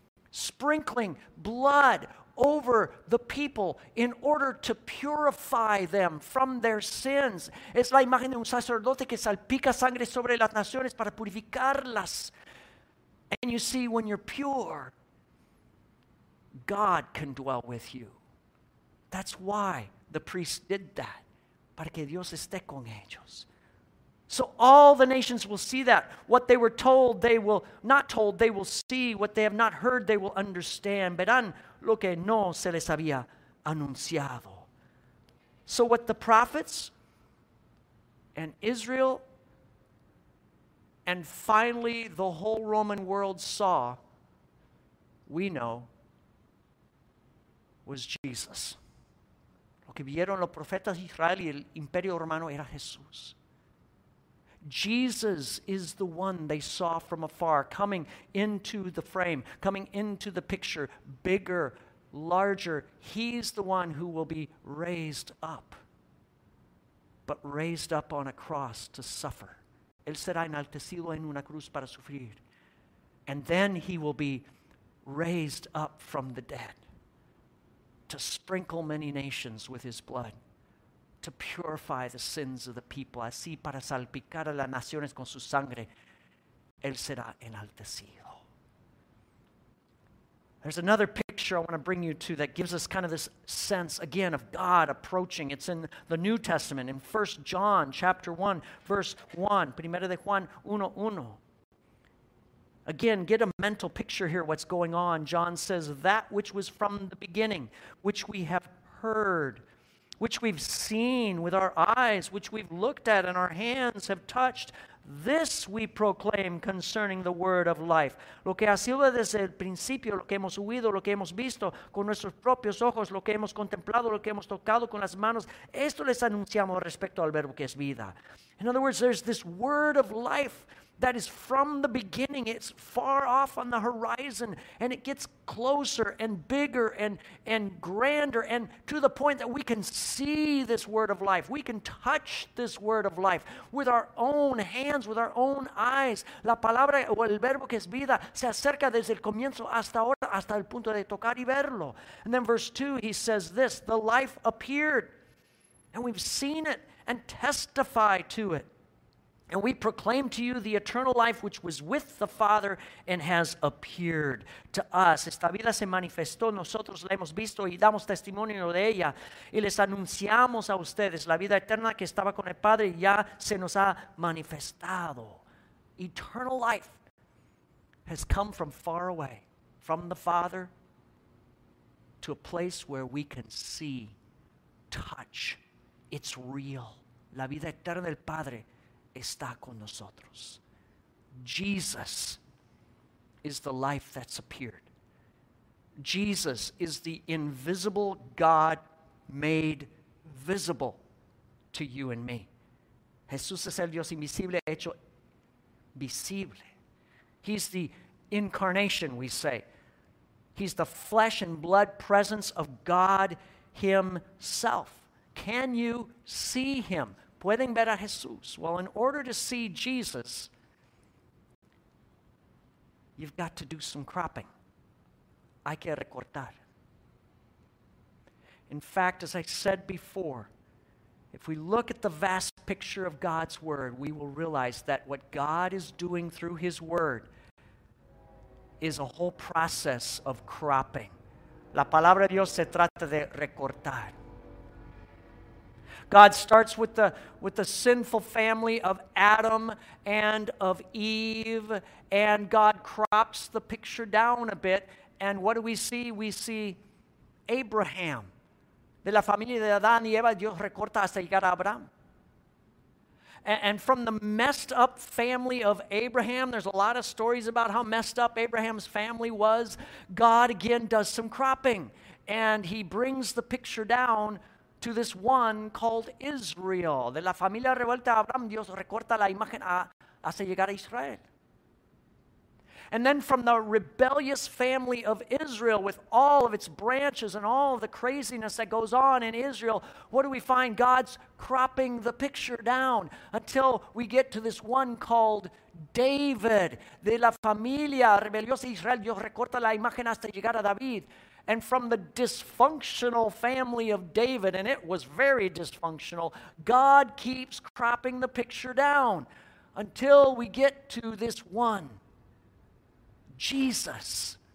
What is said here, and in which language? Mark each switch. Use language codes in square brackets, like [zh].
[en] Sprinkling blood over the people in order to purify them from their sins. [es] Es la imagen de un sacerdote que salpica sangre sobre las naciones para purificarlas. [en] And you see, when you're pure, God can dwell with you. That's why the priest did that. [es] Para que Dios esté con ellos. [en] So all the nations will see that. What they were told, they will not told, they will see. What they have not heard, they will understand. [es] Verán lo que no se les había anunciado. [en] So what the prophets and Israel and finally the whole Roman world saw, we know, was Jesus. [es] Lo que vieron los profetas de Israel y el imperio romano era Jesús. [en] Jesus is the one they saw from afar, coming into the frame, coming into the picture, bigger, larger. He's the one who will be raised up, but raised up on a cross to suffer. [es] Él será enaltecido en una cruz para sufrir. [en] And then he will be raised up from the dead to sprinkle many nations with his blood. To purify the sins of the people. [es] Así para salpicar a las naciones con su sangre. Él será enaltecido. [en] There's another picture I want to bring you to that gives us kind of this sense again of God approaching. It's in the New Testament in 1 John chapter 1 verse 1. [es] Primera de Juan 1:1. [en] Again, get a mental picture here what's going on. John says, that which was from the beginning, which we have heard, which we've seen with our eyes, which we've looked at and our hands have touched, this we proclaim concerning the word of life. [es] Lo que ha sido desde el principio, lo que hemos oído, lo que hemos visto con nuestros propios ojos, lo que hemos contemplado, lo que hemos tocado con las manos, esto les anunciamos respecto al verbo que es vida. [en] In other words, there's this word of life that is from the beginning. It's far off on the horizon, and it gets closer and bigger and grander, and to the point that we can see this word of life. We can touch this word of life with our own hands, with our own eyes. [es] La palabra o el verbo que es vida se acerca desde el comienzo hasta ahora, hasta el punto de tocar y verlo. [en] And then verse 2, he says this, the life appeared, and we've seen it and testify to it. And we proclaim to you the eternal life which was with the Father and has appeared to us. [es] Esta vida se manifestó, nosotros la hemos visto y damos testimonio de ella. Y les anunciamos a ustedes la vida eterna que estaba con el Padre y ya se nos ha manifestado. [en] Eternal life has come from far away, from the Father to a place where we can see, touch. It's real. [es] La vida eterna del Padre está con nosotros. [en] Jesus is the life that's appeared. Jesus is the invisible God made visible to you and me. [es] Jesús es el Dios invisible hecho visible. [en] He's the incarnation, we say. He's the flesh and blood presence of God himself. Can you see him? [es] ¿Pueden ver a Jesús? [en] Well, in order to see Jesus, you've got to do some cropping. [es] Hay que recortar. [en] In fact, as I said before, if we look at the vast picture of God's Word, we will realize that what God is doing through his Word is a whole process of cropping. [es] La palabra de Dios se trata de recortar. [en] God starts with the sinful family of Adam and of Eve, and God crops the picture down a bit. And what do we see? We see Abraham. [es] De la familia de Adán y Eva, Dios recorta hasta llegar a Abraham. [en] And from the messed up family of Abraham, there's a lot of stories about how messed up Abraham's family was. God again does some cropping, and he brings the picture down to this one called Israel. [es] De la familia revuelta a Abraham, Dios recorta la imagen hasta llegar a Israel. [en] And then from the rebellious family of Israel, with all of its branches and all of the craziness that goes on in Israel, what do we find? God's cropping the picture down until we get to this one called David. [es] De la familia rebeliosa Israel, Dios recorta la imagen hasta llegar a David. [en] And from the dysfunctional family of David, and it was very dysfunctional, God keeps cropping the picture down until we get to this one, Jesus.